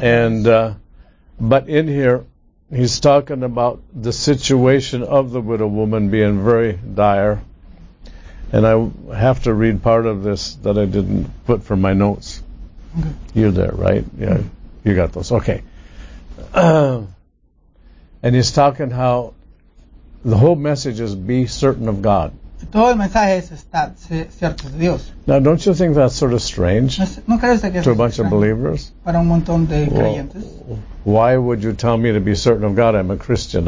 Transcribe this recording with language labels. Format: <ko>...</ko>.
<en>And, but in here, he's talking about the situation of the widow woman being very dire. And I have to read part of this that I didn't put from my notes. Okay. You're there, right? Yeah, you got those. Okay. And he's talking how the whole message is be certain of God.</en> <es>Todo el mensaje es estar cierto de Dios.</es> <en>Now, don't you think that's sort of strange</en> <es>no</es> <en>to a bunch of believers?</en> <es>Para un montón de creyentes.</es> <en>Well, why would you tell me to be certain of God? I'm a Christian.</en>